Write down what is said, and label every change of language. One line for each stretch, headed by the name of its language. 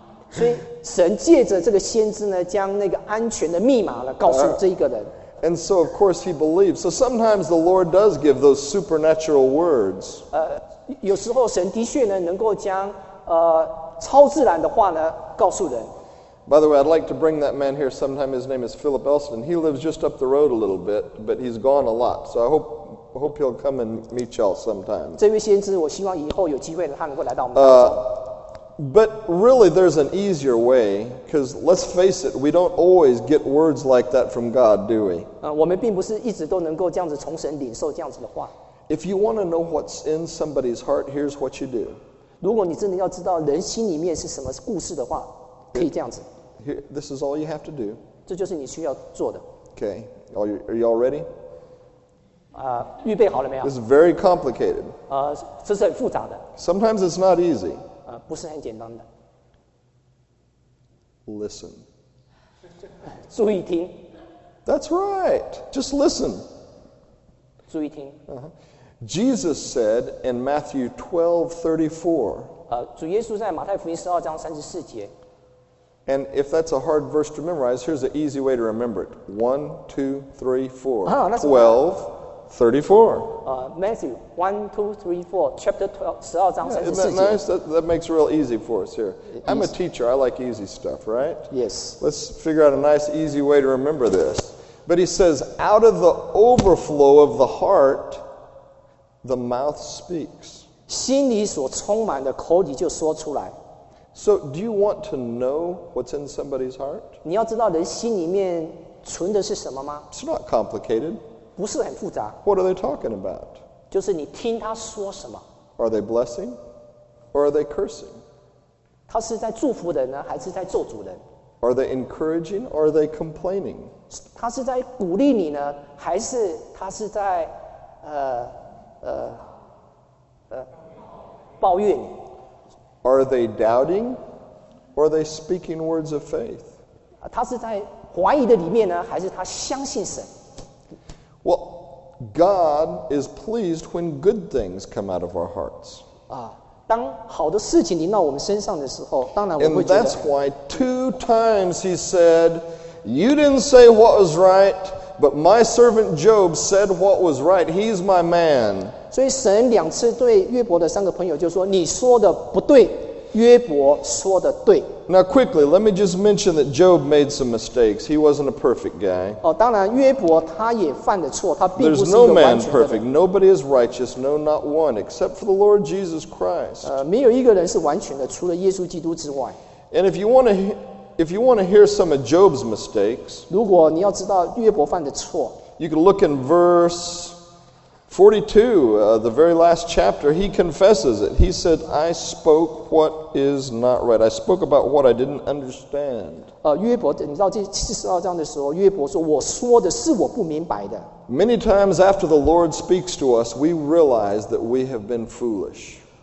Chinese: 所以神借着这个先知呢，将那个安全的密码呢，告诉这一个人。
English: And so, of course, he believes. So sometimes the Lord does give those supernatural words.
Chinese: 有时候神的确呢能够将超自然的话呢告诉人。
English: By the way, I'd like to bring that man here sometime. His name is Philip Elston. He lives just up the road a little bit, but he's gone a lot. So I hope he'll come and meet y'all sometime.
Chinese: 这位先知，我希望以后有机会他能够来到我们当中。
English: But really, there's an easier way, because let's face it, we don't always get words like that from God, do we?
Chinese: 我们并不是一直都能够这样子从神领受这样子的话。
English: If you want to know what's in somebody's heart, here's what you do.
Chinese: 如果你真的要知道人心里面是什么故事的话，可以这样子。
English: This is all you have to do.
Chinese: 这就是你需要做的。
English: Okay, are you all ready?
Chinese: 预备好了没有？
English: This is very complicated.
Chinese: 这是很复杂的。
English: Sometimes it's not easy.
Chinese: 不是很简单的。
English: Listen.
Chinese: 注意听。
English: That's right. Just listen.
Chinese: 注意听。
English: Jesus said in Matthew 12:34.
Chinese: 主耶稣在马太福音十二章三十四节。
English: And if that's a hard verse to memorize, here's an easy way to remember it. 1, 2, 3, 4. 12:34. Matthew 1, 2, 3, 4, chapter 12,
Chinese: 十二章三十四节。
English: Isn't that nice? That makes it real easy for us here. I'm a teacher. I like easy stuff, right? Yes. Let's figure out a nice, easy way to remember this. But he says, out of the overflow of the heart, the mouth speaks.
Chinese: 心里所充满的，口里就说出来。
English: So, do you want to know what's in somebody's heart?
Chinese: 你要知道人心里面存的是什么吗？
English: It's not complicated.
Chinese: 不是很复杂。
English: What are they talking about?
Chinese: 就是你听他说什么。
English: Are they blessing or are they cursing?
Chinese: 他是在祝福人呢，还是在咒诅人？
English: Are they encouraging or are they complaining?
Chinese: 他是在鼓励你呢，还是他是在抱怨？
English: Are they doubting or are they speaking words of faith?
Chinese: 他是在怀疑的里面呢，还是他相信神？
English: Well, God is pleased when good things come out of our hearts.
Chinese: 当好的事情临到我们身上的时候，当然我们会觉得。
English: And that's why two times he said, "You didn't say what was right, but my servant Job said what was right. He's my man."
Chinese: 所以神两次对约伯的三个朋友就说：“你说的不对，约伯说的对。”
English: Now, quickly, let me just mention that Job made some mistakes. He wasn't a perfect guy.
Chinese: 当然约伯他也犯了错，他并不是一个完全的人。
English: There's no man perfect. Nobody is righteous. No, not one, except for the Lord Jesus Christ.
Chinese: 没有一个人是完全的，除了耶稣基督之外。
English: And if you want to hear some of Job's mistakes,
Chinese: 如果你要知道约伯犯的错，
English: you can look in verse 42, the very last chapter, he confesses it. He said, I spoke what is not right. I spoke about what I didn't understand.
Chinese: 约伯，你知道第42章的时候，约伯说，我说的是我不明白的。
English: Many times after the Lord speaks to us, we realize that we have been foolish.